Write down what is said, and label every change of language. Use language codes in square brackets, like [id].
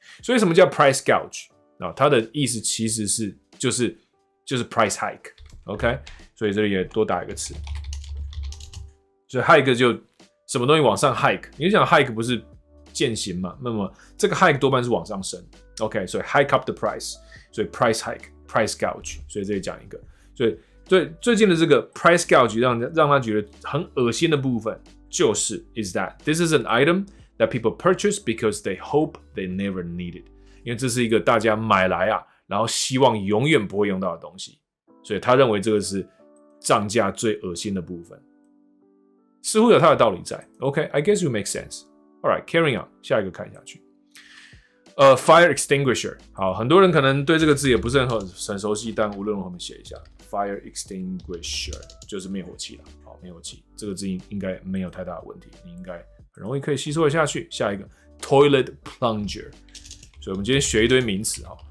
[zh] 所以什么叫 price gouge？ 啊，它的意思其实是就是 price hike。 OK， 所以这里也多打一个词。所以 hike 就什么东西往上 hike， 你想 hike 不是健行嘛？那么这个 hike 多半是往上升。 OK， 所以 [en] hike up the price， [zh] 所以 price hike， price gouge， 所以这里讲一个。所以最近的这个 price gouge 让他觉得很恶心的部分，就是 [en] is that this is an item that people purchase because they hope they never need it， [zh] 因为这是一个大家买来啊，然后希望永远不会用到的东西，所以他认为这个是涨价最恶心的部分。似乎有他的道理在。 [en] OK，I、okay, guess you make sense. All right, carrying on， [zh] 下一个看下去。 Fire extinguisher， 好，很多人可能对这个字也不是很熟悉，但无论如何，我们写一下 ，fire extinguisher 就是灭火器了。好，灭火器这个字应该没有太大的问题，你应该很容易可以吸收下去。下一个 ，toilet plunger， 所以我们今天学一堆名词啊。